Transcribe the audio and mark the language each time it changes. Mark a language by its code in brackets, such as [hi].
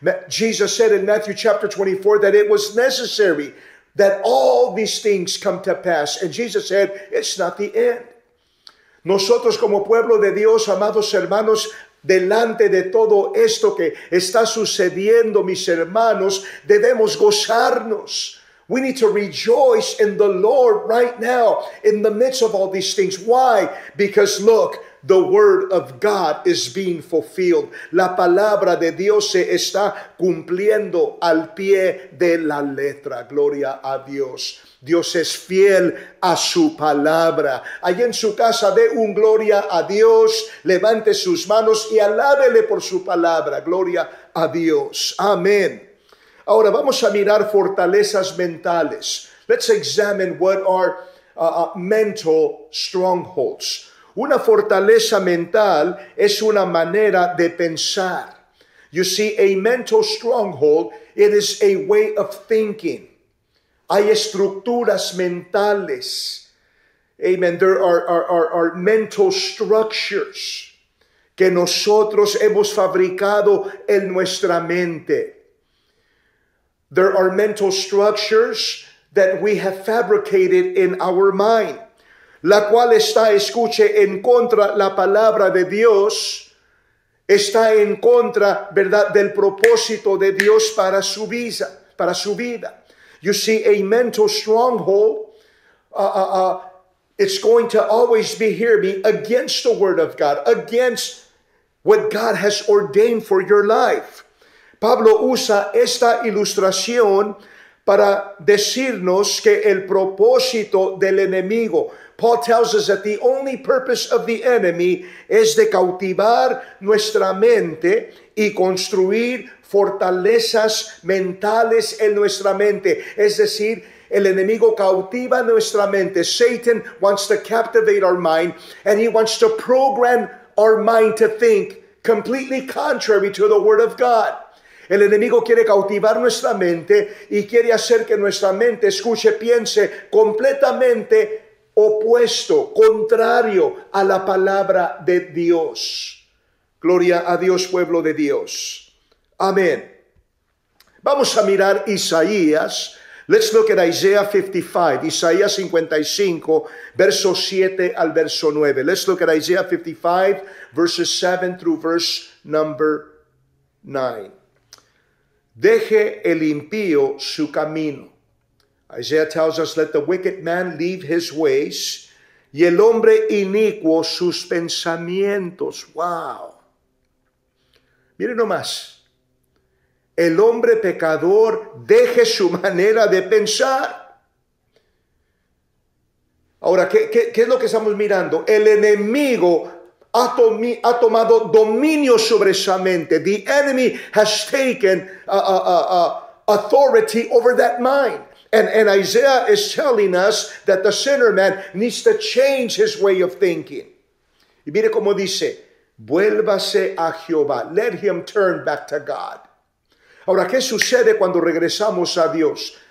[en] Jesus said in Matthew chapter 24 that it was necessary that all these things come to pass. And Jesus said, it's not the end. [es] Nosotros como pueblo de Dios, amados hermanos, delante de todo esto que está sucediendo, mis hermanos, debemos gozarnos. [en] We need to rejoice in the Lord right now, in the midst of all these things. Why? Because look, the word of God is being fulfilled. [es] La palabra de Dios se está cumpliendo al pie de la letra. Gloria a Dios. Dios es fiel a su palabra. Allí en su casa dé un gloria a Dios. Levante sus manos y alábele por su palabra. Gloria a Dios. Amén. Ahora vamos a mirar fortalezas mentales. [en] Let's examine what are mental strongholds. [es] Una fortaleza mental es una manera de pensar. [en] You see, a mental stronghold, it is a way of thinking. [es] Hay estructuras mentales. Amen. [en] There are mental structures [es] que nosotros hemos fabricado en nuestra mente. [en] There are mental structures that we have fabricated in our mind. [es] La cual está, escuche, en contra la palabra de Dios. Está en contra, ¿verdad?, del propósito de Dios para su vida. Para su vida. [en] You see, a mental stronghold, it's going to always be, hear me, against the word of God, against what God has ordained for your life. [es] Pablo usa esta ilustración para decirnos que el propósito del enemigo. [en] Paul tells us that the only purpose of the enemy is [es] de cautivar nuestra mente [en] y construir fortalezas mentales en nuestra mente. [es] Es decir, el enemigo cautiva nuestra mente. [en] Satan wants to captivate our mind and he wants to program our mind to think completely contrary to the word of God. [es] El enemigo quiere cautivar nuestra mente y quiere hacer que nuestra mente escuche, piense completamente opuesto, contrario a la palabra de Dios. Gloria a Dios, pueblo de Dios. Amén. Vamos a mirar Isaías. [en] Let's look at Isaiah 55, [es] Isaías 55, verso 7 al verso 9. [en] Let's look at Isaiah 55, verses 7 through verse number 9. [es] Deje el impío su camino. [en] Isaiah tells us, let the wicked man leave his ways, [es] y el hombre inicuo sus pensamientos. Wow. Mire nomás. El hombre pecador deje su manera de pensar. Ahora, ¿qué es lo que estamos mirando? El enemigo ha tomado dominio sobre esa mente. [en] The enemy has taken authority over that mind. And Isaiah is telling us that the sinner man needs to change his way of thinking. [es] Y mire cómo dice, vuélvase a Jehová. [en] Let him turn back to God. [es] Ahora, ¿qué sucede cuando regresamos a Dios?